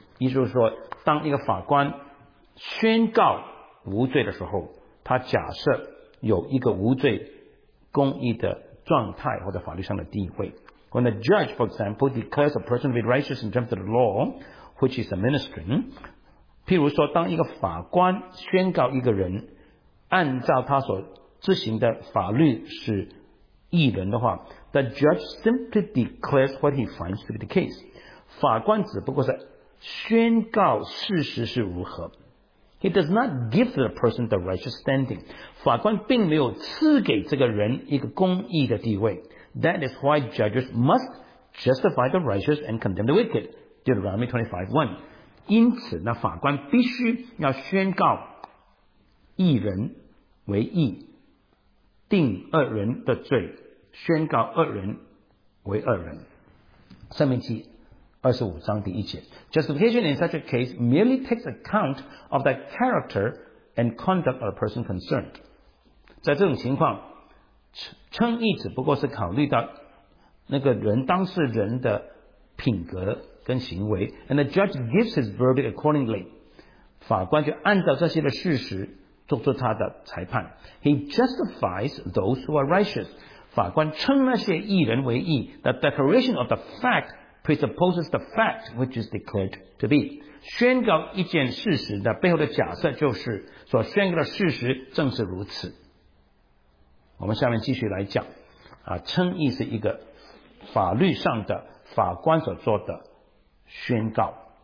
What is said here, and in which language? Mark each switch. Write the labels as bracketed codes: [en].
[zh] 也就是说，当一个法官宣告无罪的时候，他假设有一个无罪公义的状态或者法律上的地位。 [en] When a judge, for example, declares a person to be righteous in terms of the law which is administering, [zh] 譬如说当一个法官宣告一个人按照他所执行的法律是义人的话， [en] the judge simply declares what he finds to be the case. [zh] 法官只不过是宣告事实是如何。 [en] He does not give the person the righteous standing. [zh] 法官并没有赐给这个人一个公义的地位。 [en] That is why judges must justify the righteous and condemn the wicked. Deuteronomy 25:1. [zh] 因此呢，法官必须要宣告义人为义，定恶人的罪，宣告恶人为恶人。生命记25章第一节。 [en] Justification in such a case merely takes account of the character and conduct of the person concerned. [zh] 在这种情况，称义只不过是考虑到那个人当事人的品格跟行为。 [en] And the judge gives his verdict accordingly. [zh] 法官就按照这些的事实做出他的裁判。 [en] He justifies those who are righteous. [zh] 法官称那些义人为义。 [en] The declaration of the factpresupposes the fact which is declared to be. [zh] 宣告一件事实的背后的假设就是所宣告的事实正是如此。我们下面继续来讲称义是一个法律上的法官所做的宣告。